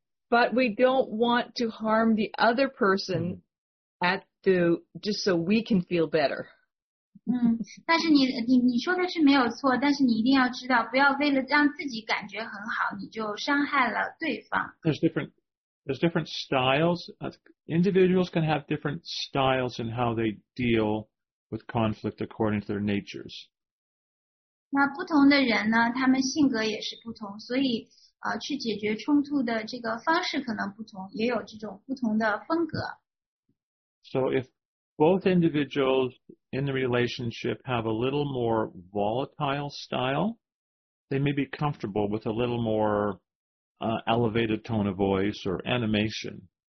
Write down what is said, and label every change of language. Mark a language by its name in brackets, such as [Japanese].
[English] But we don't want to harm the other person just so we can feel better. [Chinese] 但是你说的是没有错, 但是你一定要知道, 不要为了让自己感觉很好, 你就伤害了对方。 [English] There's different styles. Individuals can have different styles in how they deal with conflict according to their natures. [Chinese] 那不同的人呢, 他们性格也是不同, 所以, 去解决冲突的这个方式可能不同, 也有这种不同的风格。 [English] So if both individuals in the relationship have a little more volatile style, they may be comfortable with a little more elevated tone of voice or animation.